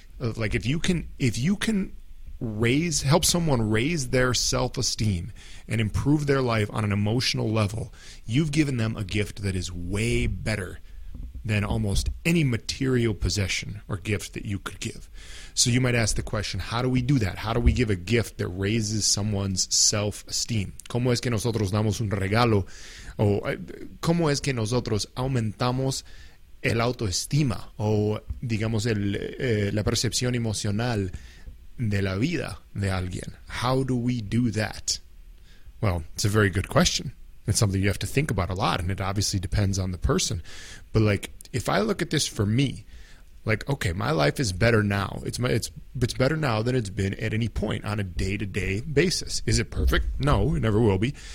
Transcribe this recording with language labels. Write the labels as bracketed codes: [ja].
[en] Like if you can help someone raise their self-esteem and improve their life on an emotional level, you've given them a gift that is way better than almost any material possession or gift that you could give. So you might ask the question, how do we do that? How do we give a gift that raises someone's self-esteem? [es] ¿Cómo es que nosotros damos un regalo? ¿O cómo es que nosotros aumentamos el autoestima o, digamos, la percepción emocional de la vida de alguien? [en] How do we do that? Well, it's a very good question. It's something you have to think about a lot, and it obviously depends on the person. But, like, if I look at this for me, like, okay, my life is better now. It's better now than it's been at any point on a day-to-day basis. Is it perfect? No, it never will be.